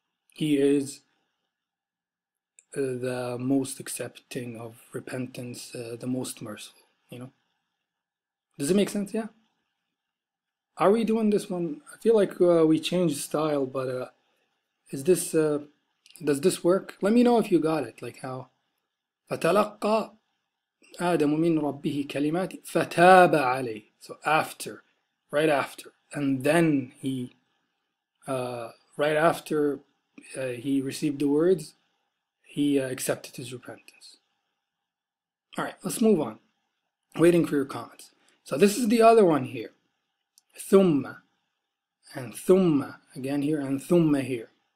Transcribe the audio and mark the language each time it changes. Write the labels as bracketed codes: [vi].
[en] He is the most accepting of repentance, the most merciful. Does it make sense? Yeah. Are we doing this one? I feel like we changed style, but is this does this work? Let me know if you got it. Like how? [ar] فتلقى آدم من ربه كلمات فتاب عليه. [en] So after, right after, and then he, right after he received the words, he accepted his repentance. All right, let's move on. Waiting for your comments. So this is the other one here. Thumma, and thumma again here, and thumma here.